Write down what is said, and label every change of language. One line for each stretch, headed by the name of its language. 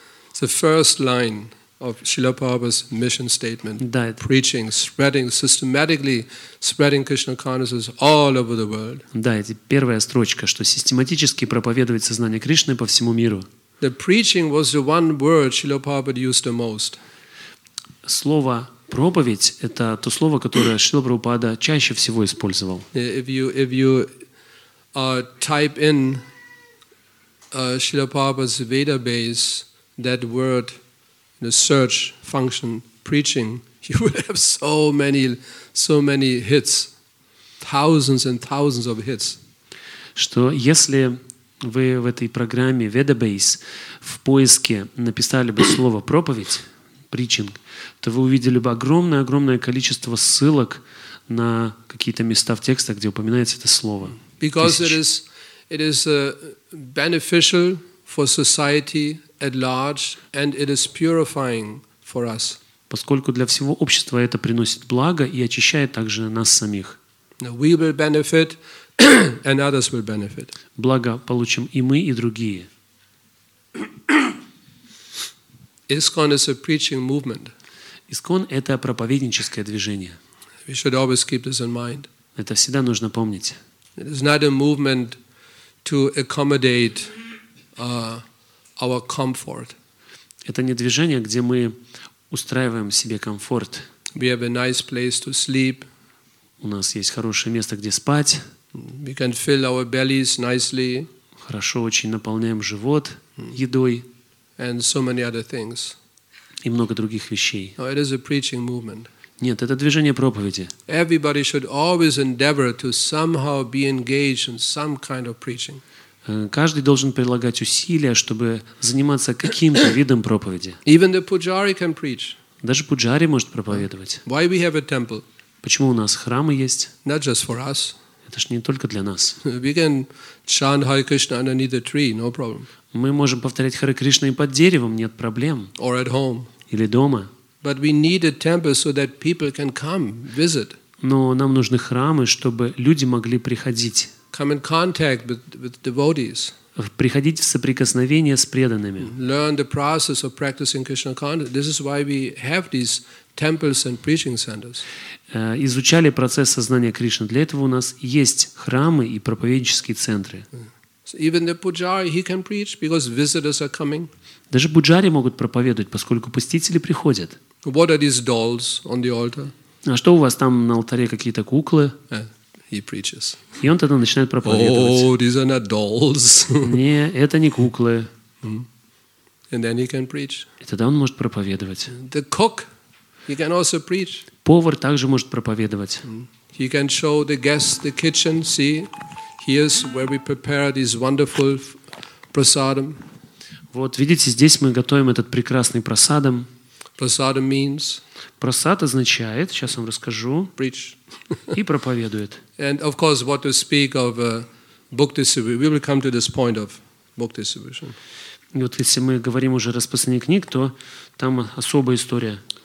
English: It's the first line of Srila Prabhupada's mission statement.
Russian: Да,
English: preaching, spreading, systematically spreading Krishna consciousness all over the world.
Russian: Да, это первая строчка, что систематически проповедовать сознание Кришны по всему миру.
English: The preaching was the one word Srila Prabhupada used the most.
Russian: Слово проповедь — это то слово, которое Шрила Прабхупада чаще всего использовал.
English: If you type in Шрила Прабхупада's Veda base, that word in the search function preaching, you will have so many hits, thousands and thousands of hits.
Russian: Что если вы в этой программе Veda base в поиске написали бы слово проповедь? Preaching, то вы увидели бы огромное-огромное количество ссылок на какие-то места в текстах, где упоминается это слово.
English: Because it is beneficial for society at large, and it is purifying for us.
Russian: Поскольку для всего общества это приносит благо и очищает также нас самих.
English: We will benefit, and others will benefit.
Russian: Благо получим и мы, и другие.
English: ISKCON is a preaching movement.
Russian: ISKCON — это проповедническое движение.
English: We should always keep this in mind.
Russian: Это всегда нужно помнить.
English: It is not a movement to accommodate our comfort.
Russian: Это не движение, где мы устраиваем себе комфорт.
English: We have a nice place to sleep.
Russian: У нас есть хорошее место, где спать.
English: We can fill our bellies nicely.
Russian: Хорошо очень наполняем живот едой.
English: And so many other things.
Russian: И много других вещей.
English: No, it is a preaching movement.
Russian: Нет, это движение проповеди.
English: Everybody should always endeavor to somehow be engaged in some kind of preaching.
Russian: Каждый должен прилагать усилия, чтобы заниматься каким-то видом проповеди.
English: Even the pujari can preach.
Russian: Даже пуджари может проповедовать.
English: Why we have a temple?
Russian: Почему у нас храмы есть?
English: Not just for us.
Russian: Это ж не только для нас.
English: We can chant Hare Krishna underneath the tree, no problem.
Russian: Мы можем повторять Харе Кришна и под деревом, нет проблем.
English: Or at home.
Russian: Или дома.
English: But we need a temple so that people can come visit.
Russian: Но нам нужны храмы, чтобы люди могли приходить.
English: Come in contact with devotees.
Russian: Приходить в соприкосновение с преданными.
English: Learn the process of practicing Krishna consciousness. This is why we have these temples and preaching centers.
Russian: Изучали процесс сознания Кришны. Для этого у нас есть храмы и проповеднические центры.
English: So even the pujari, he can preach because visitors are coming.
Russian: Даже пуджари могут проповедовать, поскольку посетители приходят.
English: What are these dolls on the altar?
Russian: А что у вас там на алтаре, какие-то куклы?
English: He preaches.
Russian: И он тогда начинает проповедовать.
English: Oh, these are not dolls.
Russian: Не, это не куклы.
English: And then he can preach.
Russian: И тогда он может проповедовать.
English: The cook, he can also preach.
Russian: Повар также может проповедовать.
English: He can show the guests the kitchen, see? Here's where we prepare this wonderful prasadam.
Russian: Вот видите, здесь мы готовим этот прекрасный прасадам.
English: Prasadam means.
Russian: Прасад означает, сейчас вам расскажу.
English: Preach.
Russian: И проповедует.
English: And of course, what to speak of book distribution. We will come to this point of book distribution.
Russian: И вот если мы говорим уже о распространении книг, то там особая история.